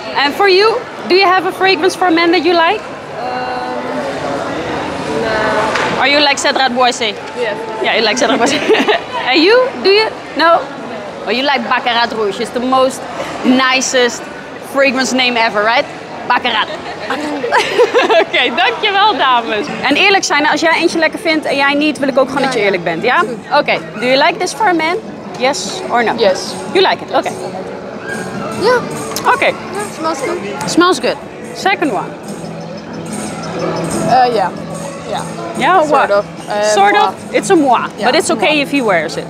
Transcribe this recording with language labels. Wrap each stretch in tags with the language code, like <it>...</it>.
<en>And for you, do you have a fragrance for a man that you like? Are you like Cedrat Boise? Yeah. Yeah, you like Cedrat Boise. And you? Do you? No? Oh, you like Baccarat Rouge. It's the most nicest fragrance name ever, right?</en> <nl>Baccarat. Oké, dankjewel dames. En eerlijk zijn, als jij eentje lekker vindt en jij niet, wil ik ook gewoon dat je eerlijk bent, ja?</nl> <en>Oké, do you like this for a man? Yes or no? Yes. You like it? Oké.</en> <nl>Ja. Oké.</nl> <en>Smells good. Smells good. Second one. Yeah. Yeah, sort of. Sort of. It's a moi, but it's okay if he wears it.</en>